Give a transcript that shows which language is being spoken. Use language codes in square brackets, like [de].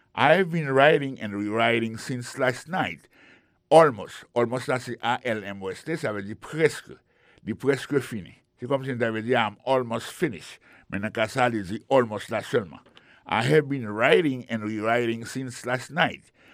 [en] I've been writing and rewriting since last night. Almost. [fr] Almost, là, c'est A-L-M-O-S-T, ça veut dire presque. Dit presque fini. C'est comme si on avait dit, [en] I'm almost finished. [fr] Mais dans le cas, ça, il dit almost là seulement. [en] I have been writing and rewriting since last night.